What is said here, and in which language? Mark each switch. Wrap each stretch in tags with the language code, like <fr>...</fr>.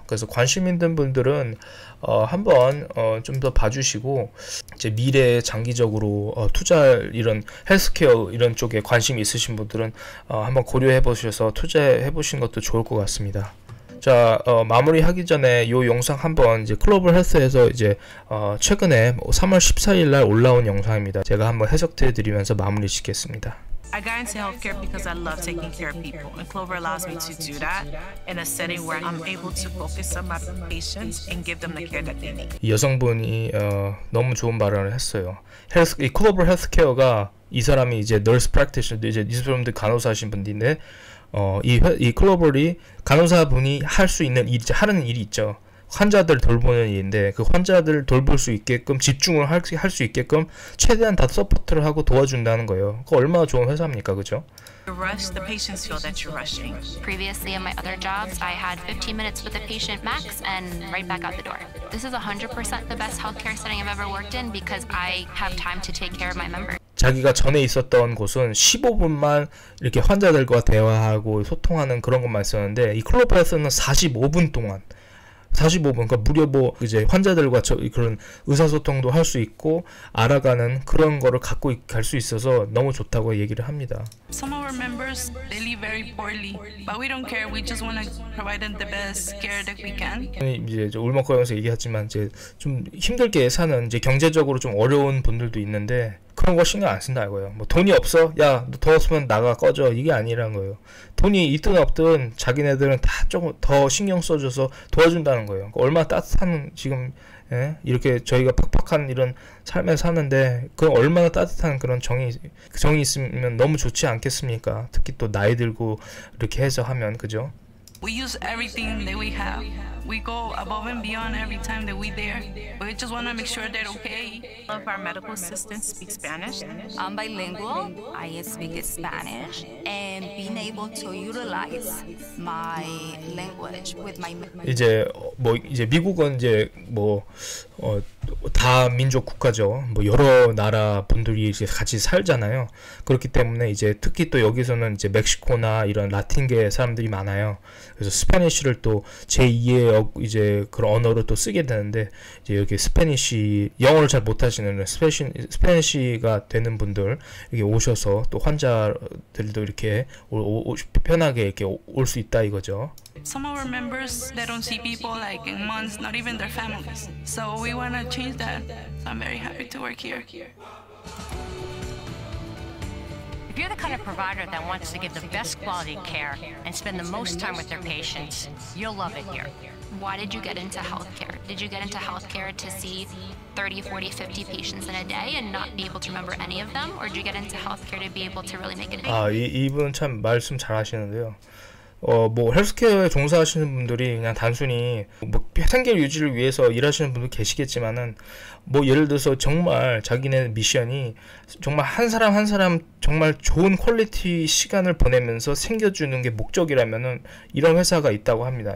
<ko>그래서 관심 있는 분들은 한번 좀더 봐주시고, 이제 미래에 장기적으로 투자할 이런 헬스케어 이런 쪽에 관심 있으신 분들은 한번 고려해 보셔서 투자해 보신 것도 좋을 것 같습니다. 자, 마무리하기 전에 요 영상 한번 이제 클로벌 헬스에서 이제 최근에 뭐 3월 14일 날 올라온 영상입니다. 제가 한번 해석해 드리면서 마무리 짓겠습니다.</ko> <en>I got into healthcare because I love taking care of people, and Clover allows me to do that in a setting where I'm able to focus on my patients and give them the care that they need.</en> <ko>이 여성분이 너무 좋은 발언을 했어요. 이 클로벌 헬스케어가 이 사람이 이제 널스 프랙티셔, 이제 이분들 간호사신 분인데, 이 클로벌이 간호사분이 할수 있는 일, 하는 일이 있죠. 환자들 돌보는 일인데, 그 환자들 돌볼 수 있게끔 집중을 할수 있게끔 최대한 다 서포트를 하고 도와준다는 거예요. 그 얼마나 좋은 회사입니까, 그죠?</ko> <en>You rush, the patients feel that you're rushing. Previously, in my other jobs, I had 15 minutes with a patient max and right back out the door. This is 100% the best healthcare setting I've ever worked in because I have time to take care of my members.</en> <ko>자기가 전에 있었던 곳은 15분만 이렇게 환자들과 대화하고 소통하는 그런 것만 있었는데, 이 클로버에서는 45분 동안 45분, 그러니까 무려 뭐 이제 환자들과 저 그런 의사소통도 할 수 있고 알아가는 그런 거를 갖고 갈 수 있어서 너무 좋다고 얘기를 합니다.</ko> <en>Some of our members they live very poorly, but we don't care. We just want to provide them the best care that we can.</en> <ko>이제 저 울먹거리면서 얘기했지만 이제 좀 힘들게 사는 이제 경제적으로 좀 어려운 분들도 있는데 그런 거 신경 안 쓴다 이거예요. 뭐 돈이 없어? 야, 너 더 없으면 나가 꺼져. 이게 아니라는 거예요. 돈이 있든 없든 자기네들은 다 좀 더 신경 써줘서 도와준다는 거예요. 그러니까 얼마나 따뜻한 지금 예? 이렇게 저희가 팍팍한 이런 삶에 사는데 그 얼마나 따뜻한 그런 정이 있으면 너무 좋지 않겠습니까? 특히 또 나이 들고 이렇게 해서 하면 그죠?</ko> <en>We use everything that we have. We go above and beyond every time that we're there. We just want to make sure they're okay. All of our medical assistants speak Spanish. I'm bilingual. I speak Spanish. And being able to utilize my language with my</en> <ko>이제 뭐 이제 미국은 이제 뭐 다 민족 국가죠. 뭐 여러 나라 분들이 이제 같이 살잖아요. 그렇기 때문에 이제 특히 또 여기서는 이제 멕시코나 이런 라틴계 사람들이 많아요. 그래서 스페니쉬를 또 제2의 이제 그런 언어로 또 쓰게 되는데 이제 이렇게 스페니쉬 영어를 잘 못하시는 스페니쉬가 되는 분들 이렇게 오셔서 또 환자들도 이렇게 편하게 이렇게 올 수 있다 이거죠.</ko> <en>Some of our members they don't see people like in months, not even their families. So we want to change that. So I'm very happy to work here. If you're the kind of provider that wants to give the best quality care and spend the most time with their patients, you'll love it here. Why did you get into healthcare? Did you get into healthcare to see 30, 40, 50 patients in a day and not be able to remember any of them, or did you get into healthcare to be able to really make an impact?</en> <ko>이분 참 말씀 잘하시는데요. 뭐 헬스케어에 종사하시는 분들이 그냥 단순히 뭐 생계 유지를 위해서 일하시는 분도 계시겠지만은 뭐 예를 들어서 정말 자기네 미션이 정말 한 사람 한 사람 정말 좋은 퀄리티 시간을 보내면서 생겨주는 게 목적이라면은 이런 회사가 있다고 합니다.</ko>